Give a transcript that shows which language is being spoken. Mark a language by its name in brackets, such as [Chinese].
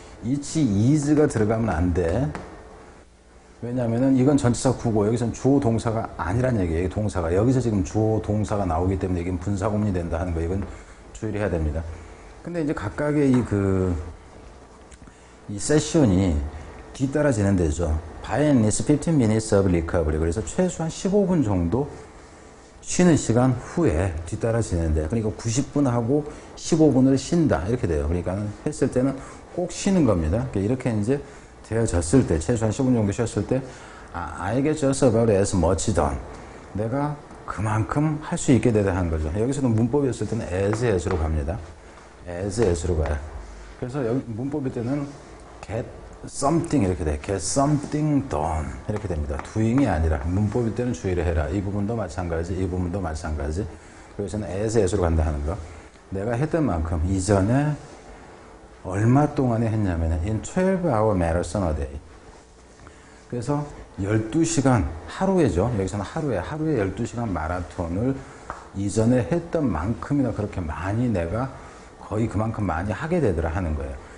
[Korean] it, is가 들어가면 안 돼. 왜냐면은 이건 전치사 구고 여기서는 주어 동사가 아니란 얘기예요. 동사가. 여기서 지금 주어 동사가 나오기 때문에 이게 분사구문이 된다 하는 거예요. 이건 주의를 해야 됩니다. 근데 이제 각각의 이 세션이 뒤따라지는 데죠. [English] By at least 15 minutes of recovery. [Korean] 그래서 최소한 15분 정도 쉬는 시간 후에 뒤따라지는데. 그러니까 90분 하고 15분을 쉰다. 이렇게 돼요. 그러니까 했을 때는 꼭 쉬는 겁니다. 이렇게 이제 되어졌을 때, 최소한 15분 정도 쉬었을 때, [English] I get just about as much done. [Korean] 내가 그만큼 할 수 있게 되다 한 거죠. 여기서는 문법이었을 때는 as로 갑니다. as로 가요. 그래서 여기 문법일 때는 get something 이렇게 돼. get something done 이렇게 됩니다. doing이 아니라 문법일 때는 주의를 해라. 이 부분도 마찬가지. 이 부분도 마찬가지. 그래서는 as로 간다 하는 거. 내가 했던 만큼 이전에 얼마 동안에 했냐면 [English] in 12-hour marathon a day. [Korean] 그래서 12시간 하루에죠. 여기서는 하루에 12시간 마라톤을 이전에 했던 만큼이나 그렇게 많이 내가 거의 그만큼 많이 하게 되더라 하는 거예요.